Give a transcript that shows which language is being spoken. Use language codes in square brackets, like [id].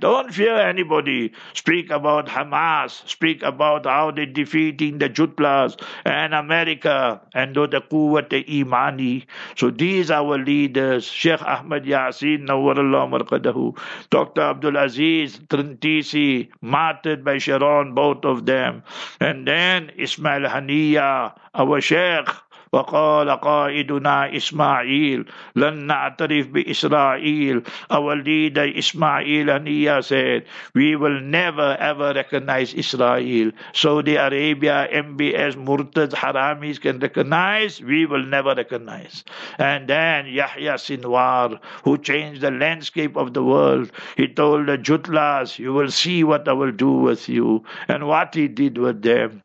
[en] Don't fear anybody. Speak about Hamas, speak about how they defeating the Jutlas and America and the Quwat Imani. So these are our leaders, Sheikh Ahmed Yasin Nawarallah Marqadahu, Dr. Abdul Aziz Trintisi, martyred by Sharon, both of them, and then Ismail Haniya, our Sheikh. [ar] وقال قائدنا إسماعيل لن نعترف بإسرائيل. [en] Our leader Ismail Haniya said, we will never ever recognize Israel. Saudi Arabia, MBS, Murtad, Haramis can recognize, we will never recognize. And then Yahya Sinwar, who changed the landscape of the world, he told the Jutlas, you will see what I will do with you, and what he did with them.